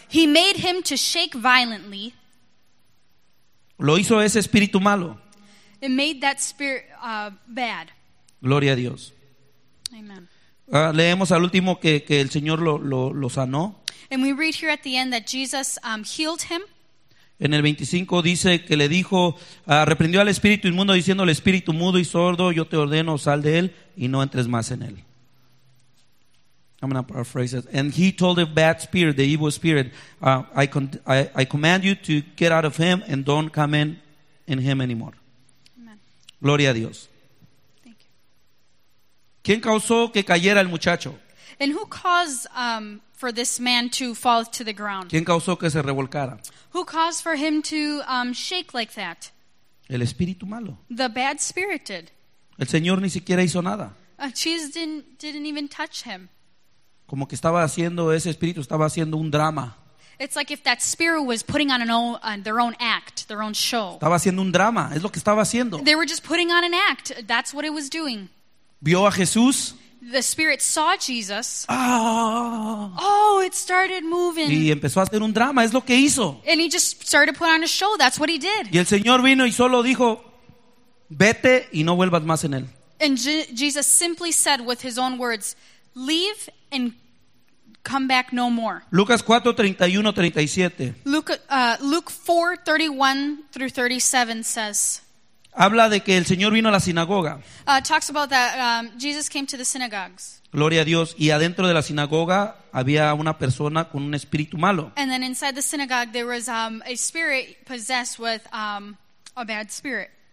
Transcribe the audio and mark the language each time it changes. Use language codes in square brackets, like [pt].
[en] He made him to shake violently. [es] Lo hizo ese espíritu malo. [en] It made that spirit bad. [es] Gloria a Dios. [en] Amen. [es] Leemos al último que el Señor lo sanó. [en] And we read here at the end that Jesus healed him. [es] En el 25 dice que le dijo, reprendió al espíritu inmundo diciendo, el espíritu mudo y sordo, yo te ordeno, sal de él y no entres más en él. [en] I'm going to paraphrase it. And he told the bad spirit, the evil spirit, I command you to get out of him and don't come in him anymore. [es] Gloria a Dios. [en] Thank you. [es] ¿Quién causó que cayera el muchacho? [en] And who caused for this man to fall to the ground? [es] ¿Quién causó que se revolcara? [en] Who caused for him to shake like that? [es] El espíritu malo. [en] The bad spirit did. [es] El Señor ni siquiera hizo nada. [en] Jesus didn't even touch him. [es] Como que estaba haciendo ese espíritu estaba haciendo un drama. [en] It's like if that spirit was putting on their own act, their own show. [es] Estaba haciendo un drama, es lo que estaba haciendo. [en] They were just putting on an act. That's what it was doing. [es] Vio a Jesús. [en] The spirit saw Jesus. Oh, it started moving. [es] Y empezó a hacer un drama, es lo que hizo. [en] And he just started to put on a show. That's what he did. [es] Y el Señor vino y solo dijo, vete y no vuelvas más en él. [en] And Jesus simply said with his own words, leave and come back no more. [es] Lucas 4:31-37. [en] Luke 4:31-37 says. [es] Habla de que el Señor vino a la sinagoga. [en] Talks about that Jesus came to the synagogues. [es] Gloria a Dios. Y adentro de la sinagoga había una persona con un espíritu malo. [en] And then inside the synagogue there was a spirit possessed with a bad spirit.